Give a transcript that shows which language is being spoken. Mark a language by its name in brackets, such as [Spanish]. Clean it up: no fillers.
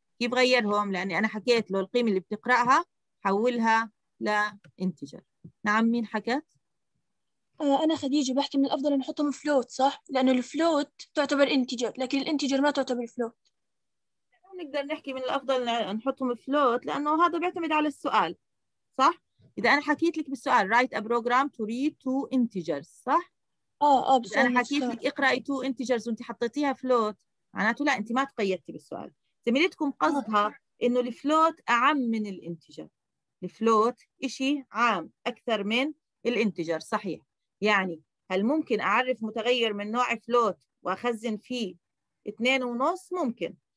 [Arabic] كيف غيرهم؟ لاني انا حكيت له القيمه اللي بتقراها حولها لانتجر. نعم مين حكى؟ انا خديجه بحكي من الافضل نحطهم فلوت صح، لانه الفلوت تعتبر انتجر لكن الانتجر ما تعتبر فلوت. نقدر نحكي من الافضل نحطهم فلوت لانه هذا بيعتمد على السؤال صح. اذا انا حكيت لك بالسؤال [English] write a program to read two integers صح، [Arabic] بس انا حكيت لك اقراي two integers وانت حطيتيها فلوت، معناته لا انت ما تقيدتي بالسؤال. زميلتكم قصدها انه الفلوت اعم من الانتجر، الفلوت شيء عام اكثر من الانتجر صحيح. يعني هل ممكن اعرف متغير من نوع فلوت واخزن فيه 2.5؟ ممكن.